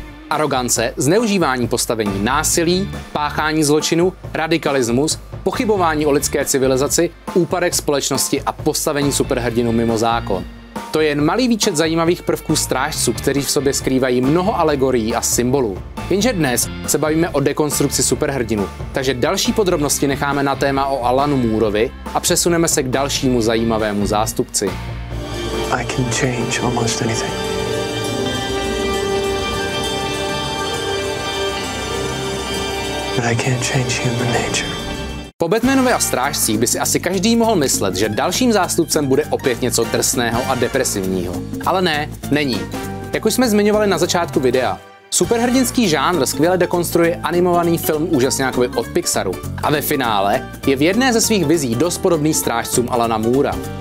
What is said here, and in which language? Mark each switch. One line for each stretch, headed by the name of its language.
Czech: Arogance, zneužívání postavení, násilí, páchání zločinu, radikalismus, pochybování o lidské civilizaci, úpadek společnosti a postavení superhrdinu mimo zákon. To je jen malý výčet zajímavých prvků strážců, kteří v sobě skrývají mnoho alegorií a symbolů. Jenže dnes se bavíme o dekonstrukci superhrdinu, takže další podrobnosti necháme na téma o Alanu Moorovi a přesuneme se k dalšímu zajímavému zástupci.
English: I can change almost anything. But I can't change human nature.
Czech: Po Batmanovi a strážcích by si asi každý mohl myslet, že dalším zástupcem bude opět něco drsného a depresivního. Ale ne, není. Jak už jsme zmiňovali na začátku videa, superhrdinský žánr skvěle dekonstruuje animovaný film Úžasňákovi od Pixaru a ve finále je v jedné ze svých vizí dost podobný strážcům Alana Moora.